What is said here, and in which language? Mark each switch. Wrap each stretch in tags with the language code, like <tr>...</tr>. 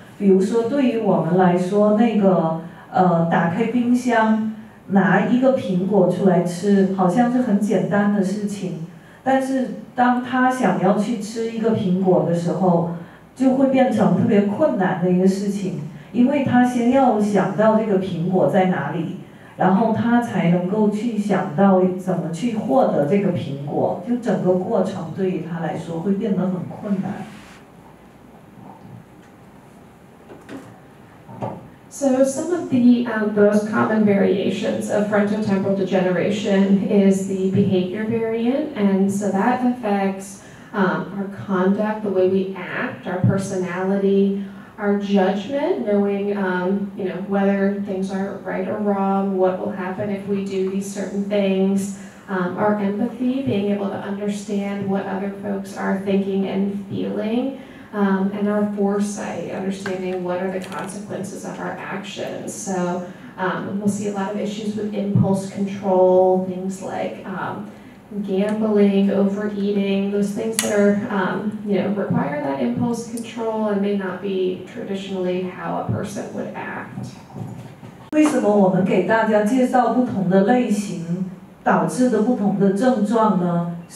<zh>比如说对于我们来说，那个打开冰箱拿一个苹果出来吃好像是很简单的事情，但是当他想要去吃一个苹果的时候就会变成特别困难的一个事情，因为他先要想到这个苹果在哪里，然后他才能够去想到怎么去获得这个苹果，就整个过程对于他来说会变得很困难。</zh> <en>So some of the most common variations of frontotemporal degeneration is the behavior variant, and so that affects our conduct, the way we act, our personality, our judgment, knowing whether things are right or wrong, what will happen if we do these certain things, our empathy, being able to understand what other folks are thinking and feeling, and our foresight, understanding what are the consequences of our actions. So we'll see a lot of issues with impulse control, things like gambling, overeating, those things that are, require that impulse control and may not be traditionally how a person would act.</en> <zh>为什么我们给大家介绍不同的类型导致的不同的症状呢？</zh>